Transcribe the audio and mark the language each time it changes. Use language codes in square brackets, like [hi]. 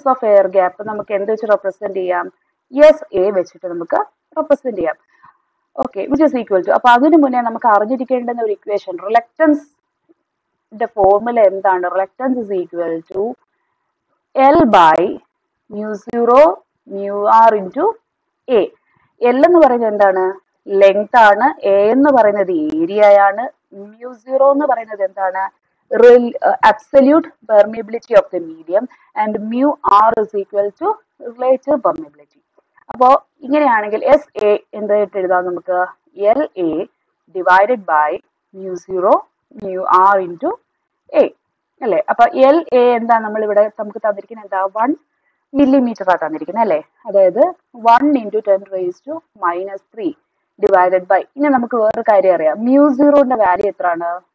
[ml] Air gap നമുക്ക് എന്ത് വെച്ച് റെപ്രസെന്റ് ചെയ്യാം എസ് എ വെച്ചിട്ട് നമുക്ക് റെപ്രസെന്റ് ചെയ്യാം okay which is equal to അപ്പൊ അതിനു മുന്നേ നമുക്ക് അറിഞ്ഞിരിക്കേണ്ടുന്ന ഒരു ഇക്വേഷൻ റിലക്റ്റൻസിന്റെ ഫോർമുല എന്താണ് [en] reluctance is equal to L by μ₀ μr × A [ml] L എന്ന് പറയുന്നത് എന്താണ് ലെങ്ത് ആണ് എ എന്ന് പറയുന്നത് ഏരിയയാണ് μ₀ എന്ന് പറയുന്നത് എന്താണ് [en] absolute permeability of the medium and mu r is equal to relative permeability. [ml] അപ്പോൾ ഇങ്ങനെയാണെങ്കിൽ എസ് എ എന്ത് ആയിട്ട് എഴുതാം നമുക്ക്? L A divided by mu zero mu are in to A അല്ലേ. അപ്പൊ എൽ എ എന്താ നമ്മളിവിടെ നമുക്ക് തന്നിരിക്കുന്നത്? എന്താ 1 മില്ലിമീറ്റർ ആ തന്നിരിക്കുന്നത് അല്ലേ. അതായത് 1 × 10⁻³ ഡിവൈഡഡ് ബൈ, ഇനി നമുക്ക് വേറൊരു കാര്യം അറിയാം, മ്യു സീറോന്റെ വാല്യൂ എത്രയാണ്?